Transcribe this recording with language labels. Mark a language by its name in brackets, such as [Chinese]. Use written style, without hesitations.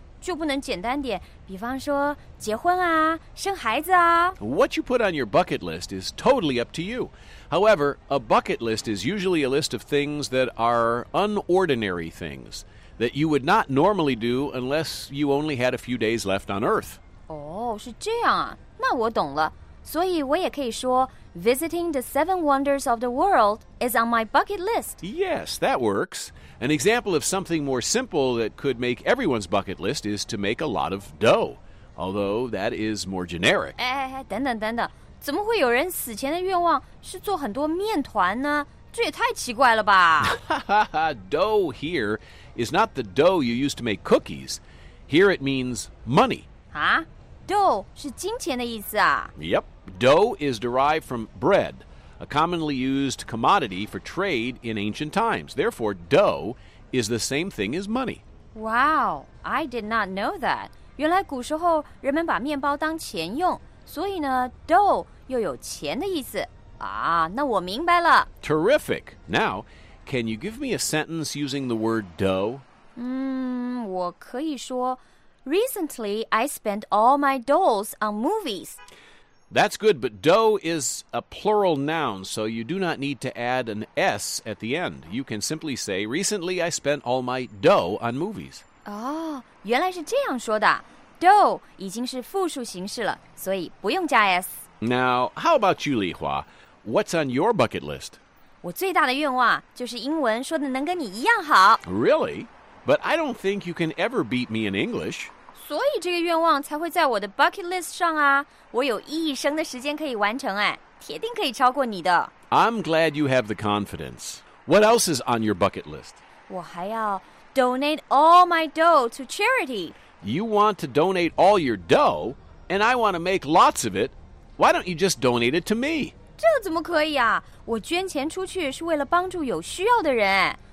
[Chinese] 就不能简单点，比方说结婚啊，生孩子啊。 [English] What you put on your bucket list is totally up to you. However, a bucket list is usually a list of things that are unordinary things that you would not normally do unless you only had a few days left on Earth. [Chinese] 是这样啊，那我懂了。所以我也可以说 [English] Visiting the seven wonders of the world is on my bucket list. Yes, that works. An example of something more simple that could make everyone's bucket list is to make a lot of dough. Although that is more generic. [Chinese] 等等，怎么会有人死前的愿望是做很多面团呢？这也太奇怪了吧。 [English] Dough here is not the dough you use to make cookies. Here it means money. [Chinese] Huh? Dough 是金钱的意思啊。 [English] Yep, dough is derived from bread, a commonly used commodity for trade in ancient times. Therefore, dough is the same thing as money. Wow, I did not know that. [Chinese] 原来古时候人们把面包当钱用，所以呢 ，dough 又有钱的意思啊。那我明白了。 [English] Terrific. Now, can you give me a sentence using the word dough? [Chinese] 我可以说。 [English] Recently, I spent all my doughs on movies. That's good, but dough is a plural noun, so you do not need to add an S at the end. You can simply say, recently, I spent all my dough on movies. [Chinese] 原来是这样说的。Dough 已经是复数形式了，所以不用加 S. [English] Now, how about you, Li Hua? What's on your bucket list? [Chinese] 我最大的愿望就是英文说的能跟你一样好。 [English] Really? But I don't think you can ever beat me in English. [Chinese] 所以这个愿望才会在我的 bucket list 上啊。我有一生的时间可以完成哎，铁定可以超过你的。 [English] I'm glad you have the confidence. What else is on your bucket list? [Chinese] 我还要 [English] donate all my dough to charity. You want to donate all your dough, and I want to make lots of it. Why don't you just donate it to me? [Chinese] 这怎么可以啊？我捐钱出去是为了帮助有需要的人哎。